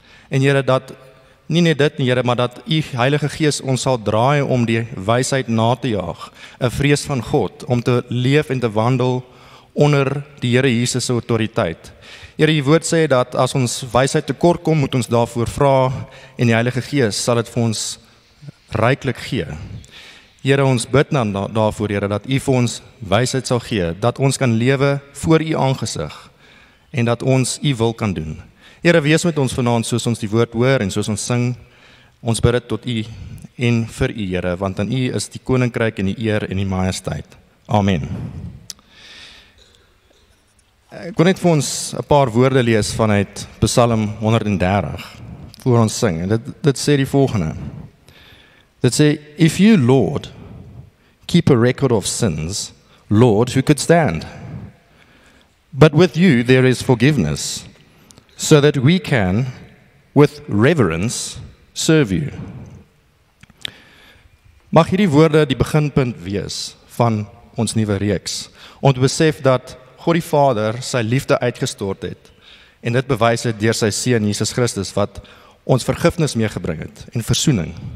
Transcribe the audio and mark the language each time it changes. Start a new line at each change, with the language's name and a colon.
Afrikaans: En Here, dat nie net dit nie, Here, maar dat U Heilige Gees ons sal draai om die wysheid na te jaag, 'n vrees van God, om te leef en te wandel onder die Here Jesus se autoriteit. Here, die woord sê dat as ons wysheid tekort kom, moet ons daarvoor vra en die Heilige Gees sal dit vir ons ryklik gee. Here, ons bid dan daarvoor, Here, dat U vir ons wysheid sal gee, dat ons kan lewe voor U aangesig en dat ons U wil kan doen. Here, wees met ons vanaand soos ons die woord hoor en soos ons sing. Ons bid dit tot U en vir U, Here, want aan U is die koninkryk en die eer en die majesteit. Amen. Ek wil net vir ons 'n paar woorde lees vanuit Psalm 130 voor ons sing. En dit sê die volgende. Dit sê,
English: if you, Lord, keep a record of sins, Lord, who could stand? But with you there is forgiveness, so that we can, with reverence, serve you.
Afrikaans: Mag hierdie woorde die beginpunt wees van ons nuwe reeks, om te besef dat God die Vader sy liefde uitgestort het en dit bewys het deur sy seun Jesus Christus wat ons vergifnis meegebring het en versoening.